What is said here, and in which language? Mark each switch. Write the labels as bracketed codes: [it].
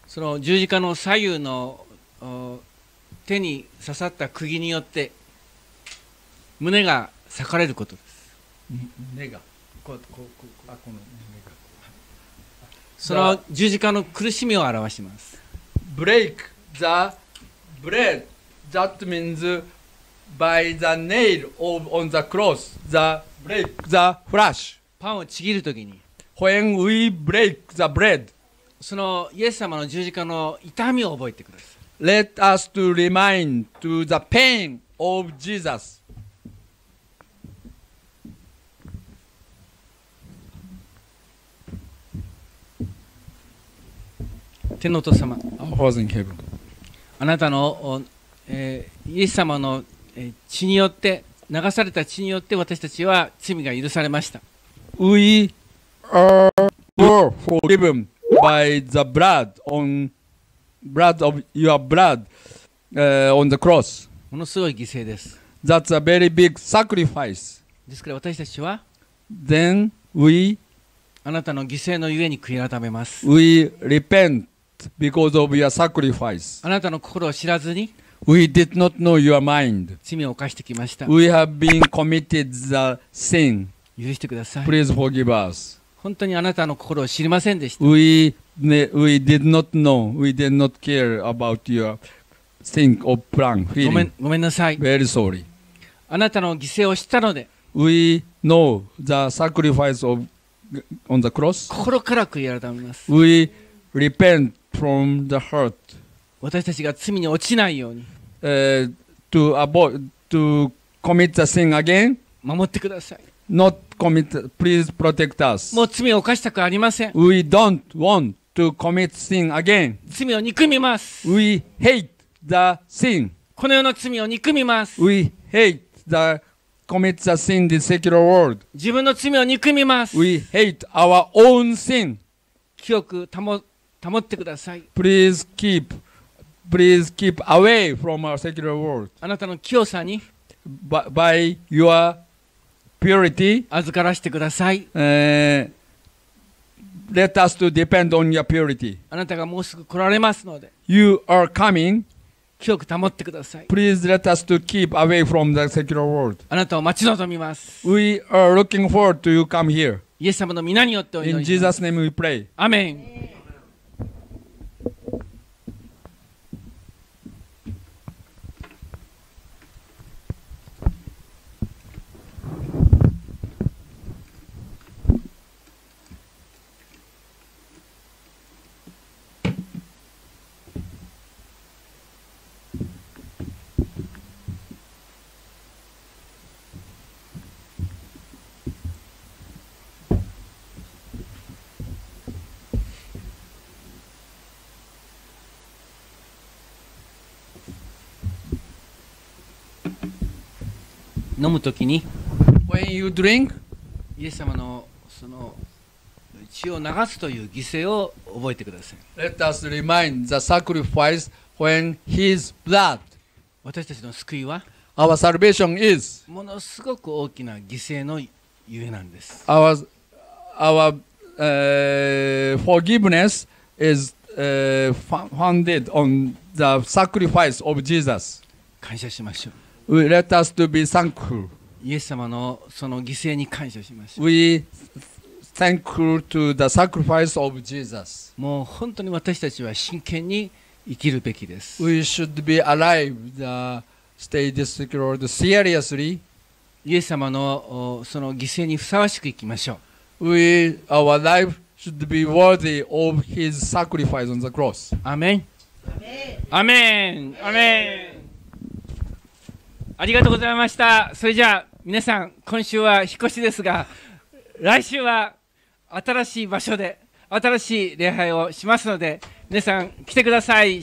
[ja] その十字架の左右の手に刺さった釘によって胸が裂かれることです。胸がこの胸がその十字架の苦しみを表します。 [en] break the bread that meansby the nail of on the cross the break the flesh [ja] パンをちぎるときに [en] when we break the bread [ja] そのイエス様の十字架の痛みを覚えてください。 [en] let us to remind to the pain of Jesus [ja] 天のお父様 [en] our Father in heaven [ja] あなたの、イエス様の血によって流された血によって私たちは罪が許されました。 [en] We are forgiven by the blood on blood of your blood、on the cross。 [ja] ものすごい犠牲です。 [en] That's a very big sacrifice。 [ja] ですから私たちは [en] then we [ja] あなたの犠牲のゆえに悔い改めます。 [en] We repent because of your sacrifice。 [ja] あなたの心を知らずに。 [en] We did not know your mind. [ja] 罪を犯してきました。 [en] We have been committed the sin. [ja] 許してください。 [en] Please forgive us. [ja] 本当にあなたの心を知りませんでした。 [en] We did not know. We did not care about your think or plan, feeling. [ja] ごめんなさい。 [en] Very sorry. [ja] あなたの犠牲を知ったので。 [en] We know the sacrifice of on the cross. [ja] 心から悔い改めます。 [en] We repent from the heart. [ja] 私たちが罪に落ちないように、 [en] to avoid, to commit the sin again, [ja] 守ってください。 [en] Not commit, please protect us. [ja] もう罪を犯したくありません。 [en] We don't want to commit sin again. [ja] 罪を憎みます。 [en] We hate the sin. [ja] この世の罪を憎みます。 [en] We hate the commit the sin in the secular world. [ja] 自分の罪を憎みます。 [en] We hate our own sin. [ja] 清く保ってください。 [en] Please keep away from our secular world. [ja] あなたの清さに [en] by your purity [ja] 預からせてください。 [en] Let us to depend on your purity. [ja] あなたがもうすぐ来られますので。 [en] You are coming. [ja] 清く保ってください。 [en] Please let us to keep away from the secular world. [ja] あなたを待ち望みます。 [en] We are looking forward to you come here. [ja] イエス様の皆によってお祈りします。 [en] In Jesus' name we pray. Amen. When you drink, [ja] イエス様のその血を流すという犠牲を覚えてください。 [en] Let us remind the sacrifice when His blood. [ja] 私たちの救いは、 [en] Our salvation is. [ja] ものすごく大きな犠牲のゆえなんです。 [en] Our forgiveness is founded on the sacrifice of Jesus. [ja] 感謝しましょう。 [en] Let us to be thankful. [ja] イエス様のその犠牲に感謝しましょう。 [en] We thankful to the sacrifice of Jesus. [ja] もう本当に私たちは真剣に生きるべきです。 [en] We should be alive, stay this world seriously. [ja] イエス様のその犠牲にふさわしく生きましょう。 [en] Our life should be worthy of His sacrifice on the cross. Amen. Amen. Amen. [ja] ありがとうございました。それじゃあ皆さん、今週は引っ越しですが、来週は新しい場所で新しい礼拝をしますので、皆さん来てください。